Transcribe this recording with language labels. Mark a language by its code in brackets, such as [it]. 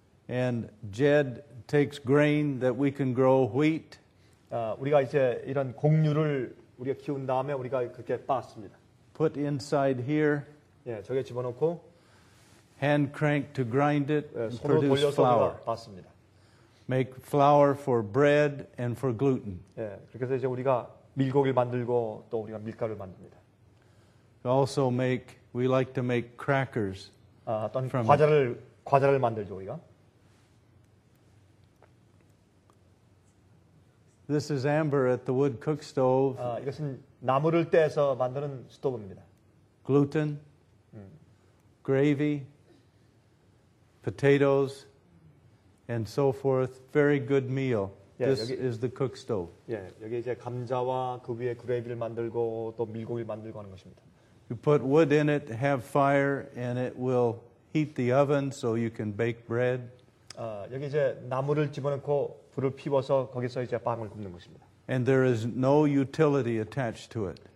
[en] And Jed takes grain that we can grow wheat. [ko] 우리가 이제 이런 곡류를 우리가 키운 다음에 우리가 그렇게 빻습니다. [en] Put inside here. [ko] 예, 저게 집어넣고. [en] hand crank to grind it, [ko] 네, [en] and produce flour. [ko] 맞습니다. [en] Make flour for bread and for gluten. [ko] 예, 그렇게 해서 이제 우리가 밀고기를 만들고 또 우리가 밀가루를 만듭니다. [en] Also make, we like to make crackers. [ko] 아, 어떤 과자를 만들죠 우리가. [en] This is amber at the wood cook stove. [ko] 아, 이것은 나무를 떼서 만드는 스토브입니다. [en] Gluten, gravy, potatoes, and so forth. Very good meal. Yeah, this [ko] 여기, [en] is the cook stove. [ko] 예, 여기 이제 감자와 그 위에 그레이비를 만들고 또 밀고기를 만들고 하는 것입니다. [en] You put wood in it, have fire, and it will heat the oven so you can bake bread. [ko] 여기 이제 나무를 집어넣고 불을 피워서 거기서 이제 빵을 굽는 것입니다. [en] And there is no utility attached to it.